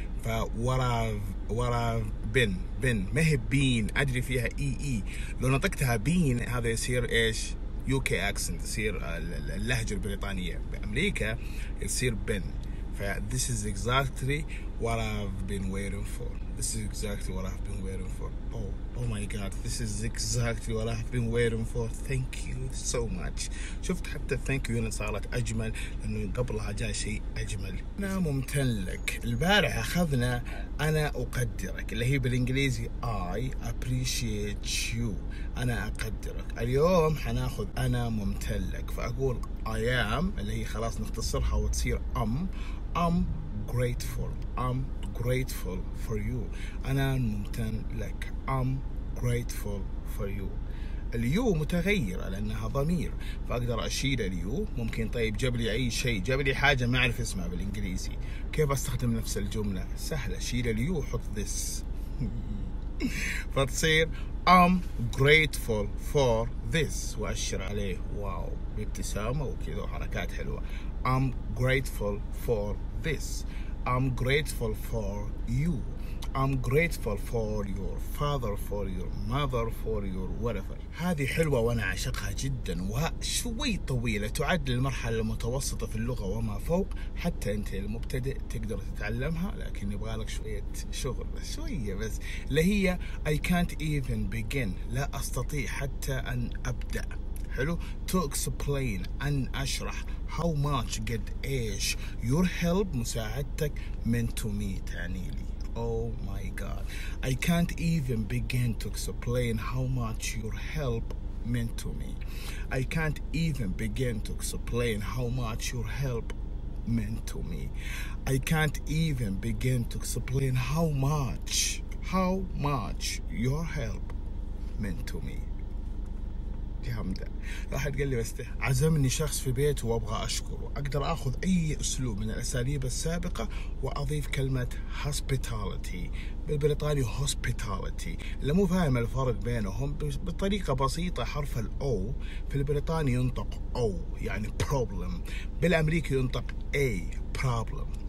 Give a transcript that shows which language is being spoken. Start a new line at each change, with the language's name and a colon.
English: ف what I've been. May been.
Arabic: أدري فيها EE. لو نطقتها been هذا يصير إيش؟
English: UK accent
Arabic: يصير اللهجة البريطانية بأمريكا يصير بن ف
English: this is exactly what I've been waiting for This is exactly what I've been waiting for. Oh my God, this is exactly what I've been waiting for. Thank you so much.
Arabic: شفت حتى
English: thank you
Arabic: هنا صارت أجمل لأنه قبلها جاء شيء أجمل. أنا ممتن لك. البارح أخذنا أنا أقدرك اللي هي بالإنجليزي
English: I appreciate you.
Arabic: أنا أقدرك. اليوم حناخذ أنا ممتن لك. فأقول
English: I am
Arabic: اللي هي خلاص نختصرها وتصير am.
English: I'm grateful. I'm grateful for you.
Arabic: أنا ممتن لك.
English: I'm grateful for you.
Arabic: اليو متغيرة لأنها ضمير فأقدر أشيل اليو. ممكن طيب جاب لي أي شيء، جاب لي حاجة ما أعرف اسمها بالإنجليزي، كيف أستخدم نفس الجملة؟ سهلة، شيل اليو حط this فتصير
English: I'm grateful for this
Arabic: وأشر عليه واو بابتسامة وكذا وحركات حلوة.
English: I'm grateful for this. I'm grateful for you. I'm grateful for your father, for your mother, for your whatever.
Arabic: هذه حلوة وأنا عشقها جدا وشوي طويلة، تعد للمرحلة المتوسطة في اللغة وما فوق. حتى أنت المبتدئ تقدر تتعلمها لكن يبغى لك شوية شغل شوية بس. اللي هي
English: I can't even begin،
Arabic: لا أستطيع حتى أن أبدأ. حلو.
English: To explain،
Arabic: أن أشرح.
English: How much،
Arabic: قد إيش.
English: Your help،
Arabic: مساعدتك.
English: Meant to me،
Arabic: تعني لي.
English: Oh my God، I can't even begin to explain how much your help meant to me. I can't even begin to explain how much your help meant to me. I can't even begin to explain how much your help meant to me.
Arabic: جامدة. واحد قال لي بس عزمني شخص في بيته وأبغى أشكره، أقدر أخذ أي أسلوب من الأساليب السابقة وأضيف كلمة hospitality. بالبريطاني hospitality، اللي مو فاهم الفرق بينهم بطريقة بسيطة، حرف الأو في البريطاني ينطق أو يعني problem، بالأمريكي ينطق A problem.